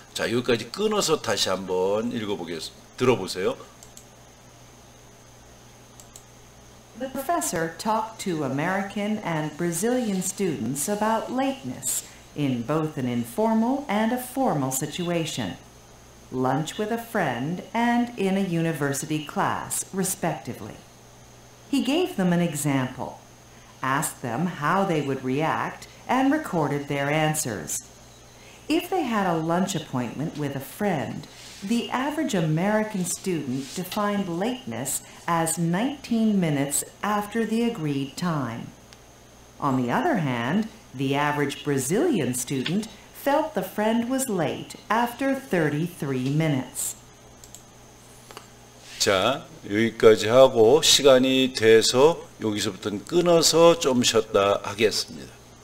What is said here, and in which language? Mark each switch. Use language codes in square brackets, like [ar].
[ko] 자, 여기까지 끊어서 다시 한번 읽어보겠습니다. 들어보세요. [en] The professor talked to American and Brazilian students about lateness in both an informal and a formal situation. Lunch with a friend and in a university class, respectively. He gave them an example, asked them how they would react, and recorded their answers. If they had a lunch appointment with a friend, the average American student defined lateness as 19 minutes after the agreed time. On the other hand, the average Brazilian student felt the friend was late after 33 minutes. [ko] 자, 여기까지 하고 시간이 돼서 여기서부터는 끊어서 좀 쉬었다 하겠습니다.